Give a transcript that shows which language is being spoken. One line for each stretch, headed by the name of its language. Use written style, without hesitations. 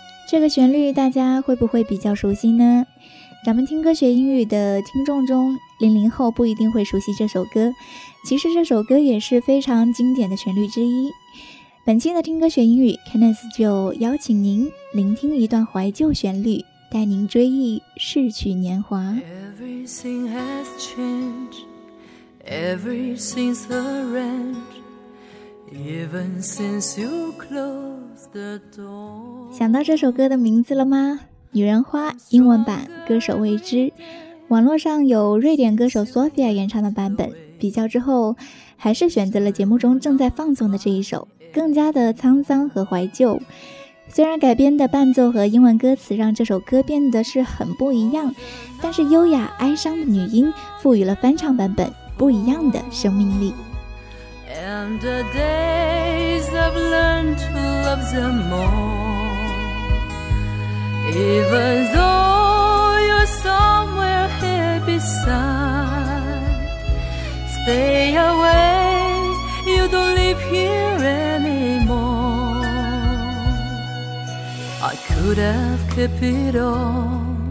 Chinese: 这个旋律大家会不会比较熟悉呢？咱们听歌学英语的听众中，00后不一定会熟悉这首歌，其实这首歌也是非常经典的旋律之一。本期的听歌学英语 Kenneth 就邀请您聆听一段怀旧旋律，带您追忆逝去年华。
English: Everything has changed ever since the rain, even since you closed the door。
Chinese: 想到这首歌的名字了吗？女人花英文版，歌手未知，网络上有瑞典歌手 Sofia 演唱的版本，比较之后还是选择了节目中正在放送的这一首，更加的沧桑和怀旧。虽然改编的伴奏和英文歌词让这首歌变得是很不一样，但是优雅哀伤的女音赋予了翻唱版本不一样的生命力。
English: And the days I've learned to love them more, even though you're somewhere here beside, stay away, you don't live here anymoreI could have kept it all